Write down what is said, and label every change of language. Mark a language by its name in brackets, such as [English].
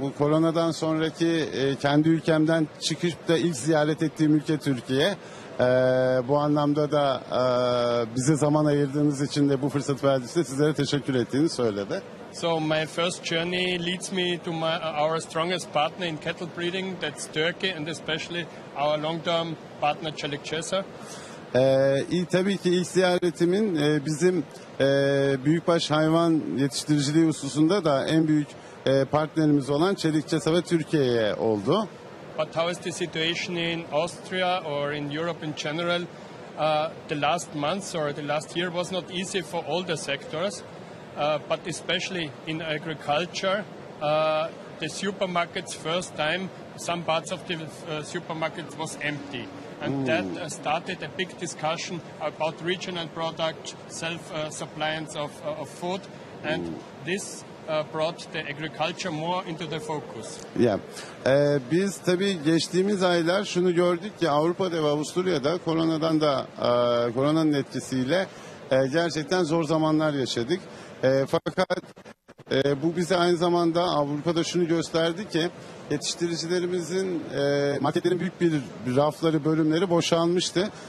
[Turkish] Bu koronadan sonraki kendi ülkemden çıkıp da ilk ziyaret ettiğim ülke Türkiye. Bu anlamda da bize zaman ayırdığınız için de bu fırsat verdiğinizde sizlere teşekkür ettiğini söyledi. [English] So my first journey leads me to our strongest partner in cattle breeding, that's Turkey, and especially our long-term partner Çelikçesa. [Turkish] Tabii ki ilk ziyaretimin bizim büyükbaş hayvan yetiştiriciliği hususunda da en büyük partnerimiz olan Çelikçesa ve Türkiye'ye oldu. [English] But how is the situation in Austria or in Europe in general? The last months or the last year was not easy for all the sectors, but especially in agriculture. The supermarkets, first time, some parts of the supermarkets was empty. And that started a big discussion about regional product, self-suppliance of food, and this brought the agriculture more into the focus. Yeah. [Turkish] Biz tabii geçtiğimiz aylar şunu gördük ki Avrupa'da ve Avusturya'da koronadan da koronanın etkisiyle gerçekten zor zamanlar yaşadık. Fakat bu bize aynı zamanda Avrupa'da şunu gösterdi ki yetiştiricilerimizin marketlerin büyük bir rafları, bölümleri boşalmıştı.